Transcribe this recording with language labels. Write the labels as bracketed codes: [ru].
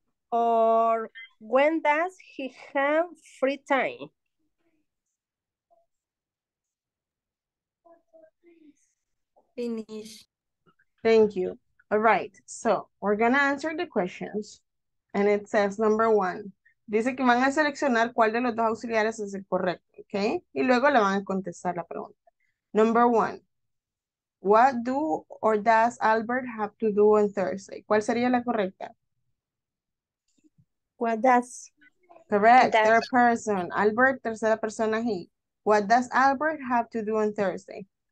[en] Or when does he have free time? Finish. Thank you. All right, so we're gonna answer the questions. And it says number one. [es] Dice que van a seleccionar cuál de los dos auxiliares es el correcto, okay? Y luego le van a contestar la pregunta. [en] Number one. What do or does Albert have to do on Thursday? [es] ¿Cuál sería la correcta? [en] What does? Correct. That. Third person. Albert, [es] tercera persona. [en] He. What does Albert have to do on Thursday?